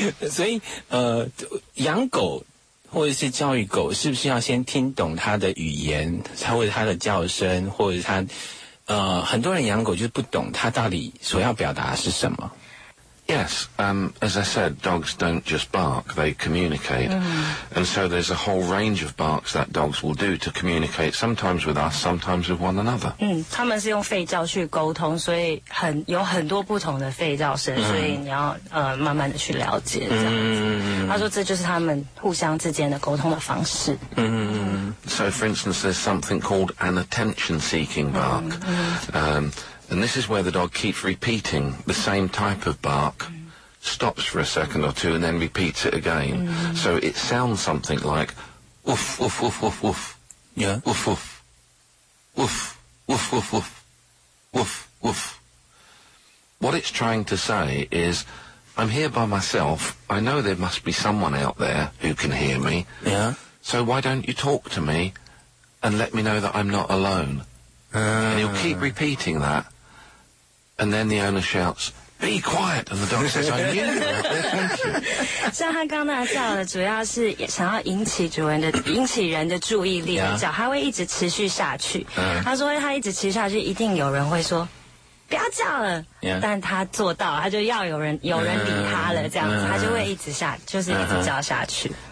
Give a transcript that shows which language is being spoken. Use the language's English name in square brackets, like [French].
[Chinese] 所以养狗。或者是教育狗，是不是要先听懂它的语言，或者它的叫声，或者它，很多人养狗就是不懂它到底所要表达是什么。 [English] Yes, as I said, dogs don't just bark; they communicate,、mm-hmm. and so there's a whole range of barks that dogs will do to communicate. Sometimes with us, sometimes with one another. [Chinese] 嗯，他们是用吠叫去沟通，所以很有很多不同的吠叫声， mm-hmm. 所以你要慢慢的去了解这样子。 Mm-hmm. 他说这就是他们互相之间的沟通的方式。 [English] 嗯 So for instance, there's something called an attention-seeking bark. And this is where the dog keeps repeating the same type of bark, stops for a second or two, and then repeats it again. So it sounds something like, woof, woof, woof, woof, woof. Yeah. Woof, woof. Woof, woof, woof, woof. Woof, woof. What it's trying to say is,I'm here by myself. I know there must be someone out there who can hear me. Yeah. So why don't you talk to me and let me know that I'm not alone? And he'll keep repeating that. And then the owner shouts, be quiet. And the dog says, I knew you were out there, thank you. [Chinese] 像他刚才叫的主要是想要引起主人的引起人的注意力的叫、yeah. 他会一直持续下去。他说他一直持续下去一定有人会说不要叫了、 [English] yeah. [Chinese] 但他做到他就要有人理他了、这样子、他就会一直下就是一直叫下去、